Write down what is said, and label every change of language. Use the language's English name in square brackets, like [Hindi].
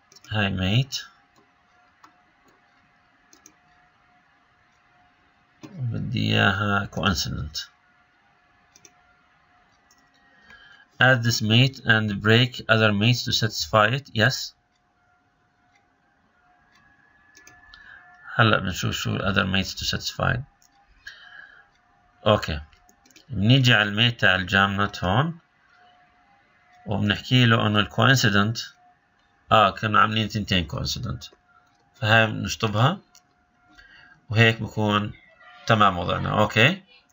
[Arabic] هاي ميت، بدي اياها كوانسيدنت. [English] Add this mate and break other mates to satisfy it. Yes. [Arabic] هلا بنشوف شو [English] other mates to satisfy. Okay. [Arabic] بنيجي على الميت تاع الجام نوت هون، وبنحكي له انه الكوانسيدنت، كنا عاملين تنتين كوانسيدنت، فهي بنشطبها وهيك بكون تمام وضعنا. اوكي.